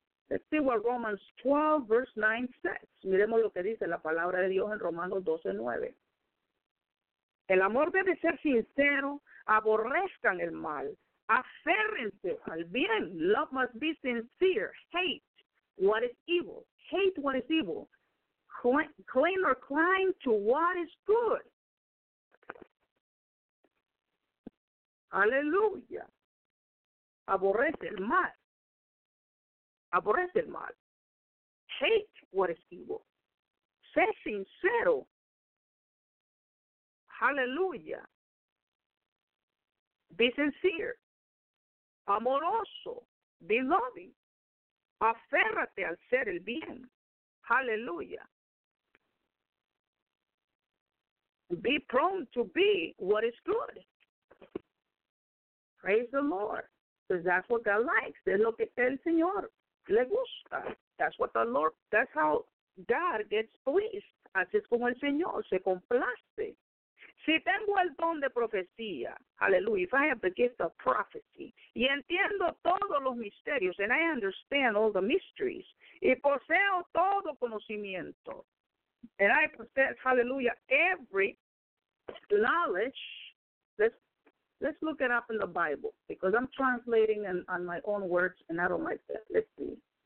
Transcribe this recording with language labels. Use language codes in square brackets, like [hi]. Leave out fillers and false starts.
[en] Let's see what Romans 12, verse 9 says. [es] Miremos lo que dice la palabra de Dios en Romanos 12, 9. El amor debe ser sincero, aborrezcan el mal, aférrense al bien. [en] Love must be sincere. Hate what is evil. Hate what is evil. Cling or climb to what is good. [es] Aleluya. Aborrece el mal. Aborrece el mal. [en] Hate what is evil. [es] Sé sincero. Aleluya. [en] Be sincere. Amoroso. Be loving. [es] Aférrate al ser el bien. Aleluya. [en] Be prone to be what is good. Praise the Lord, because that's what God likes. [es] Es lo que el Señor le gusta. [en] That's what the Lord, that's how God gets pleased. [es] Así es como el Señor se complace. Si tengo el don de profecía, [en] hallelujah, if I have the gift of prophecy, [es] y entiendo todos los misterios, [en] and I understand all the mysteries, [es] y poseo todo conocimiento, [en] and I possess, hallelujah, every knowledge, Let's look it up in the Bible, because I'm translating on my own words, and I don't like that. Let's see.